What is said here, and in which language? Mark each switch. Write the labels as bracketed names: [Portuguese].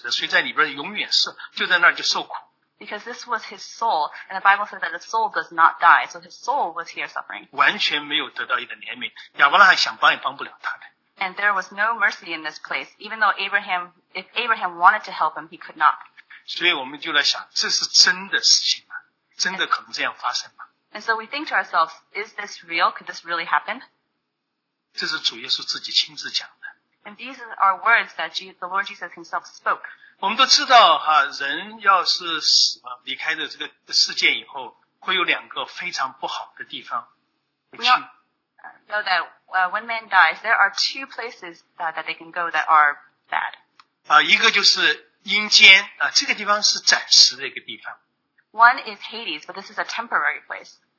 [Chinese] 这是他的灵魂，圣经说是不死的，所以在里边永远是就在那儿就受苦。 [English] Because this was his soul, and the Bible says that the soul does not die, so his soul was here suffering. [Chinese] 完全没有得到一点怜悯，亚伯拉罕想帮也帮不了他的。 [English] And there was no mercy in this place, even though if Abraham wanted to help him, he could not. [Chinese] 所以我们就来想，这是真的事情吗？真的可能这样发生吗？ [English] And so we think to ourselves, is this real? Could this really happen? [Chinese] 这是主耶稣自己亲自讲的。 [English] And these are words that the Lord Jesus himself spoke. [Chinese] 我们都知道哈，人要是死了，离开了这个世界以后，会有两个非常不好的地方。 [English] We all know that when man dies, there are two places that they can go that are bad. [Chinese] 一个就是阴间，这个地方是暂时的一个地方。 [English] One is Hades, but this is a temporary place.